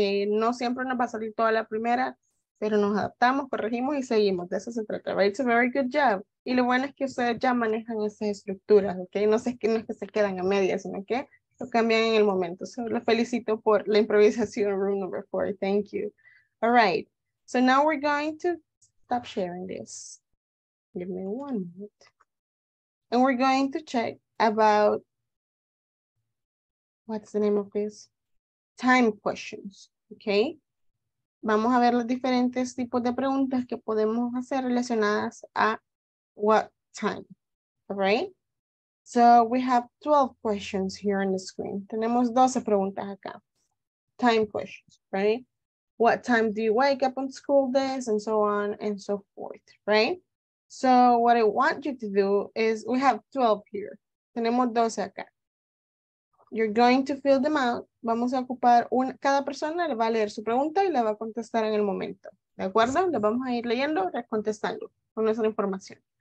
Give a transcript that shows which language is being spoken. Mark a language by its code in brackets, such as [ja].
[es] No siempre nos va a salir toda la primera, pero nos adaptamos, corregimos y seguimos. De eso se trata, right? [en] It's a very good job. [es] Y lo bueno es que ustedes ya manejan esas estructuras, ¿ok? No sé, no es que se quedan a medias, sino que lo cambian en el momento. So, los felicito por la improvisación, [en] room number four. Thank you. All right. So now we're going to stop sharing this. Give me 1 minute. And we're going to check about, what's the name of this? Time questions, okay? [es] Vamos a ver los diferentes tipos de preguntas que podemos hacer relacionadas a what time, all right? [en] So we have 12 questions here on the screen. [es] Tenemos 12 preguntas acá. [en] Time questions, right? What time do you wake up on school days and so on and so forth, right? So what I want you to do is, we have 12 here. [es] Tenemos 12 acá. [en] You're going to fill them out. [es] Vamos a ocupar una, cada persona le va a leer su pregunta y la va a contestar en el momento. ¿De acuerdo? Le vamos a ir leyendo, contestando con nuestra información.